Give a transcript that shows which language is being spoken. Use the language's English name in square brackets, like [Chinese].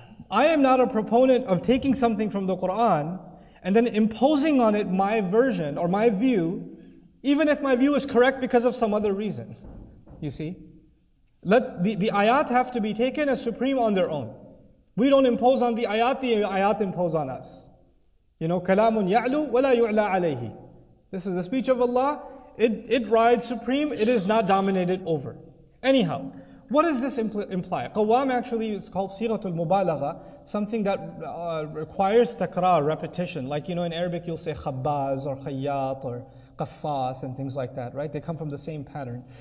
[English] I am not a proponent of taking something from the Quran and then imposing on it my version or my view, even if my view is correct because of some other reason. You see? Let the ayat have to be taken as supreme on their own. We don't impose on the ayat impose on us. You know, [Arabic] كَلَامٌ يَعْلُو وَلَا يُعْلَى عَلَيْهِ. [English] This is the speech of Allah. It rides supreme, it is not dominated over. Anyhow, what does this imply? Qawwam actually is called siratul mubalagha, something that requires takrar, repetition. Like, you know, in Arabic you'll say khabbaz or khayyat or qassas and things like that, right? They come from the same pattern.